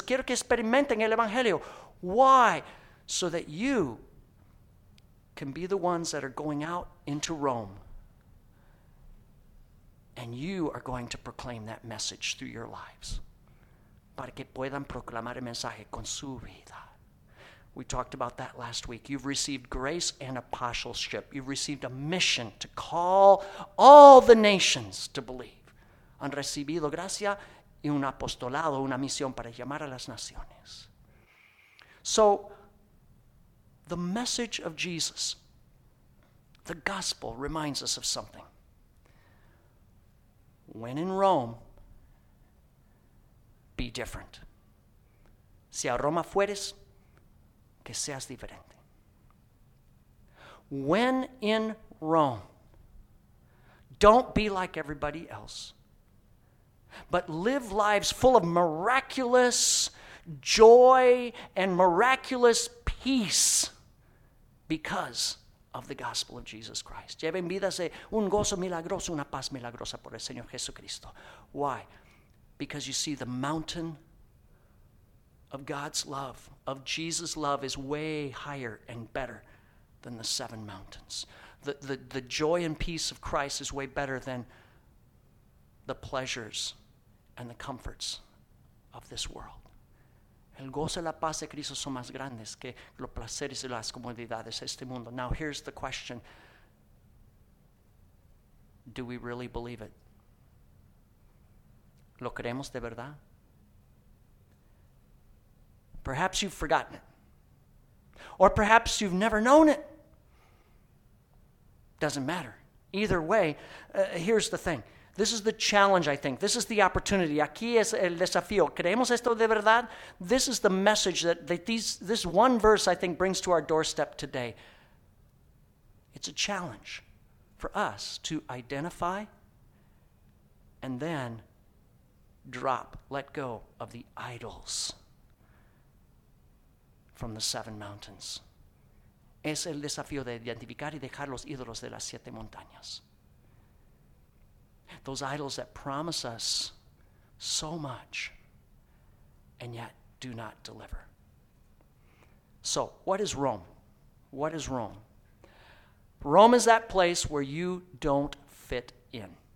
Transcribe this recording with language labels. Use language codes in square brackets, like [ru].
[es] Quiero que experimenten el Evangelio. [en] Why? So that you can be the ones that are going out into Rome. And you are going to proclaim that message through your lives. [es] Para que puedan proclamar el mensaje con su vida. [en] We talked about that last week. You've received grace and apostleship. You've received a mission to call all the nations to believe. [es] Han recibido gracia y un apostolado, una misión para llamar a las naciones. [en] So, the message of Jesus, the gospel, reminds us of something. When in Rome, be different. [es] Si a Roma fueres, que seas diferente. [en] When in Rome, Don't be like everybody else, but live lives full of miraculous joy and miraculous peace because of the gospel of Jesus Christ. [es] Lleven vidas de un gozo milagroso, una paz milagrosa por el Señor Jesucristo. [en] Why? Because you see, the mountain of God's love, of Jesus' love, is way higher and better than the seven mountains. The joy and peace of Christ is way better than the pleasures and the comforts of this world. [es] El gozo y la paz de Cristo son más grandes que los placeres y las comodidades de este mundo. [en] Now here's the question. Do we really believe it? [es] ¿Lo creemos de verdad? [en] Perhaps you've forgotten it. Or perhaps you've never known it. Doesn't matter. Either way, here's the thing. This is the challenge, I think. This is the opportunity. [es] Aquí es el desafío. ¿Creemos esto de verdad? [en] This is the message that this one verse, I think, brings to our doorstep today. It's a challenge for us to identify and then drop, let go of the idols from the seven mountains. [es] Es el desafío de identificar y dejar los ídolos de las siete montañas. [en] Those idols that promise us so much and yet do not deliver. So, what is Rome? What is Rome? Rome is that place where you don't fit in.